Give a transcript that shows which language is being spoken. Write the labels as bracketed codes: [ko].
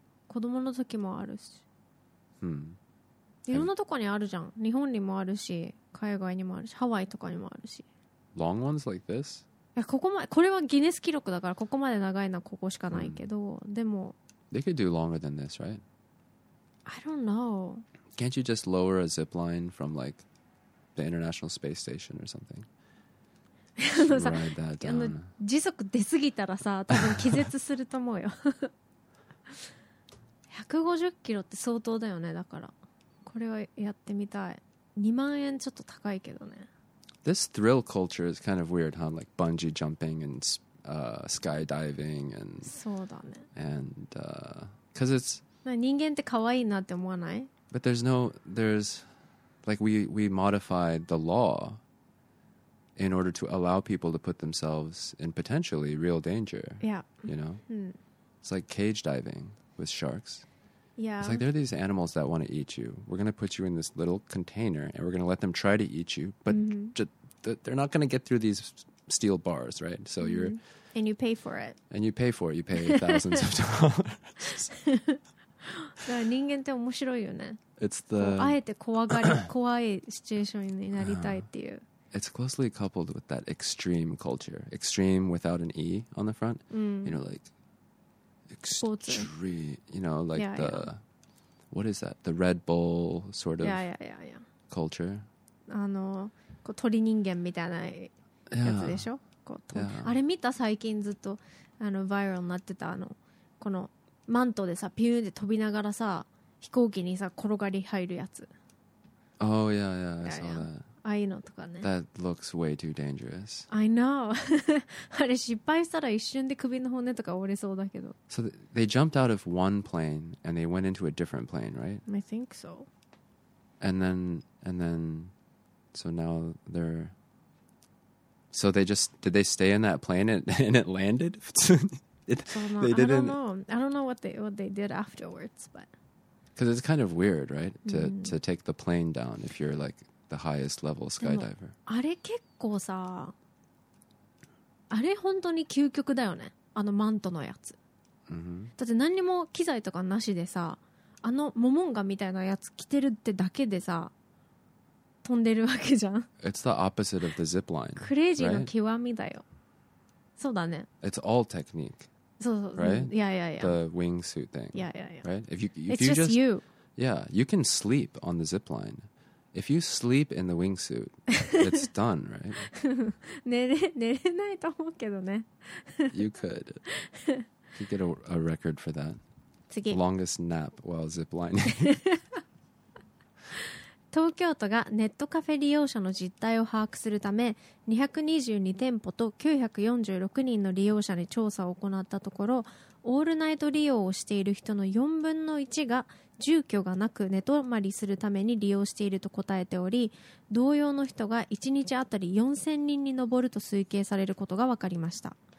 [ja] 子供の時もあるし。 Hmm. いろんなとこにあるじゃん。日本にもあるし、海外にもあるし、ハワイとかにもあるし。 [en] Long ones like this? [ja] いや これはギネス記録だからここまで長いのはここしかないけど、mm. でも [en] They could do longer than this, right? I don't know. Can't you just lower a zip line from like the International Space Station or something? Ride that down. [ja] 時速出すぎたらさ多分気絶すると思うよ150キロって相当だよね。だからこれはやってみたい。2万円ちょっと高いけどね。 [en] This thrill culture is kind of weird, huh? Like bungee jumping and、skydiving and... [ja] そうだね。 [en] And... Because it's... [ja] 人間って可愛いなって思わない? [en] But there's no... There's... Like we modified the law in order to allow people to put themselves in potentially real danger. Yeah. You know?、 [ja] うん、 [en] it's like cage diving with sharks. Yeah. It's like there are these animals that want to eat you. We're going to put you in this little container and we're going to let them try to eat you, but、mm-hmm. they're not going to get through these steel bars, right? So、mm-hmm. you're... And you pay for it. And you pay for it. You pay thousands of dollars. [ja] だから人間って面白いよね。 [en] It's the... [ja] あえて怖いシチュエーションになりたいっていう。 [en] It's closely coupled with that extreme culture. Extreme without an E on the front.、 Mm. You know, like... Extreme, you know, like yeah, the yeah. What is that? The Red Bull sort of yeah. culture. [ja] あのこう鳥人間みたいなやつでしょ。こう、 [en] yeah. [ja] あれ見た最近ずっとあのバイラルになってたあのこのマントでさピューンで飛びながらさ飛行機にさ転がり入るやつ。 [en] Oh yeah, yeah, yeah, yeah. I saw that. [ja] ああいうのとかね。 [en] That looks way too dangerous. I know. [ja] あれ失敗したら一瞬で首の骨とか折れそうだけど。 [en] So they jumped out of one plane and they went into a different plane, right? I think so. And then, so now they're... So they just... Did they stay in that plane and it landed? I don't know what they did afterwards, but... Because it's kind of weird, right? To,、mm. to take the plane down if you're like... The highest level skydiver. [ja] あれ結構さ、あれ本当に究極だよね。あのマントのやつ。 Mm-hmm. だって何にも機材とかなしでさ、あのモモンガみたいなやつ着てるってだけでさ、飛んでるわけじゃん。 [en] It's the opposite of the zip line. [ja] クレイジーの極みだよ。そうだね。 [en] It's all technique. [ja] そうそう。 [en] Right? Yeah, yeah, yeah. The wingsuit thing. Yeah, yeah, yeah. Right? It's just you. Yeah, you can sleep on the zip line. If you sleep in the wingsuit, it's done, right? [ja] 寝れないと思うけどね。 [en] You could. You could get a record for that. [ja] 次。 [en] Longest nap while ziplining. [ja] 東京都がネットカフェ利用者の実態を把握するため、222店舗と946人の利用者に調査を行ったところ、オールナイト利用をしている人の4分の1が住居がなく寝泊まりするために利用していると答えており、同様の人が1日あたり4000人に上ると推計されることが分かりました。